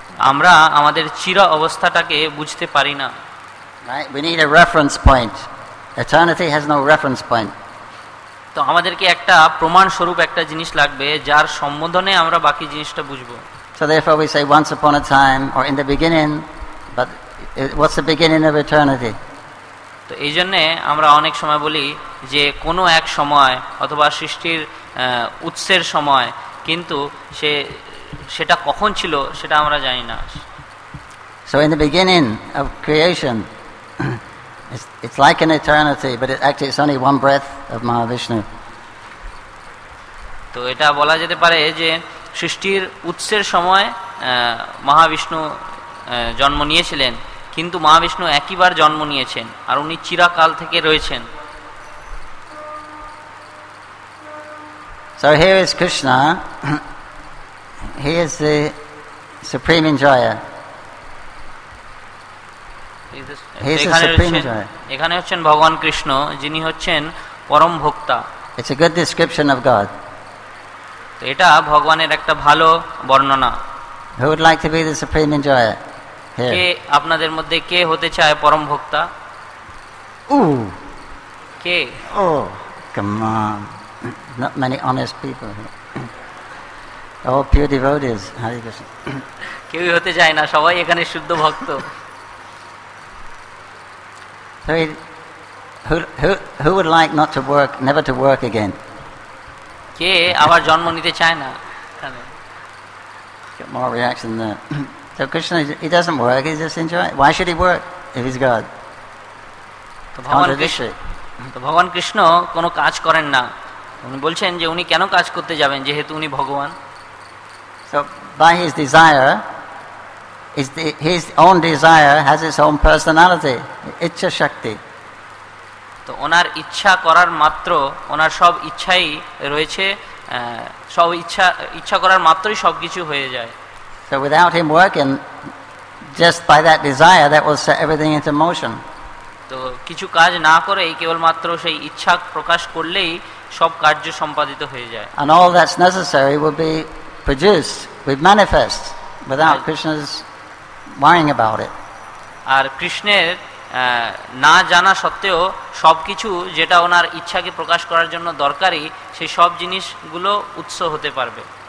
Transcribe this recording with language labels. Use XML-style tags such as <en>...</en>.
<bn>আমরা আমাদের চির অবস্থাটাকে বুঝতে পারি না</bn> <en>we need a reference point eternity has no reference point</en> <bn>তো আমাদেরকে একটা প্রমাণ স্বরূপ একটা জিনিস লাগবে যার সম্বোধনে আমরা বাকি জিনিসটা বুঝবো</bn> <en>so therefore we say once upon a time or in the beginning but what's the beginning of eternity</en> <bn>তো এই জন্য আমরা অনেক সময় বলি যে কোনো এক সময় অথবা সৃষ্টির উৎসের সময় কিন্তু সে সেটা কখন ছিল সেটা আমরা জানি না</bn> <en>so in the beginning of creation it's like an eternity but it actually it's only one breath of mahavishnu</en> <bn>তো এটা বলা যেতে পারে যে সৃষ্টির উৎসের সময় মহাবিষ্ণু জন্ম নিয়েছিলেন কিন্তু মহাবিষ্ণু একইবার জন্ম নিয়েছেন আর উনি চিরাকাল থেকে রয়েছেন</bn> <en>so here is krishna he is the supreme enjoyer he is the supreme enjoyer</en> <bn>এখানে হচ্ছেন ভগবান কৃষ্ণ যিনি হচ্ছেন পরম ভোক্তা</bn> <en>it's a good description of god</en> <bn>তো এটা ভগবানের একটা ভালো বর্ণনা</bn> <en>who would like to be the supreme enjoyer here</en> <bn>কে আপনাদের মধ্যে কে হতে চায় পরম ভোক্তা কে</bn> <en>ও come on not many honest people here. All pure devotees, Hare Krishna.</en> <bn>কেউই হতে চায় না সবাই এখানে শুদ্ধ ভক্ত</bn> <en>who would like not to work never to work again</en> <bn>কে আবার জন্ম নিতে চায় না</bn> <en>get more reaction than that so Krishna he doesn't work he's just enjoying why should he work if he's God</en> <bn>তো ভগবান কৃষ্ণ কোনো কাজ করেন না উনি বলছেন যে উনি কেন কাজ করতে যাবেন যেহেতু উনি ভগবান</bn> <en>So by his desire, is the, his own desire has its own personality, ichcha shakti.</en> <bn>তো ওনার ইচ্ছা করার মাত্র ওনার সব ইচ্ছাই রয়েছে সব ইচ্ছা ইচ্ছা করার মাত্রই সব কিছু হয়ে যায়</bn> <en>So without him working just by that desire that will set everything into motion</en> <bn>তো কিছু কাজ না করে কেবলমাত্র সেই ইচ্ছা প্রকাশ করলেই সব কার্য সম্পাদিত হয়ে যায়</bn> <en>And all that's necessary will be produced will manifest without Krishna's worrying about it</en> <bn>আর কৃষ্ণের না জানা সত্ত্বেও সবকিছু যেটা ওনার ইচ্ছাকে প্রকাশ করার জন্য দরকারি সেই সব জিনিসগুলো উৎস হতে পারবে</bn>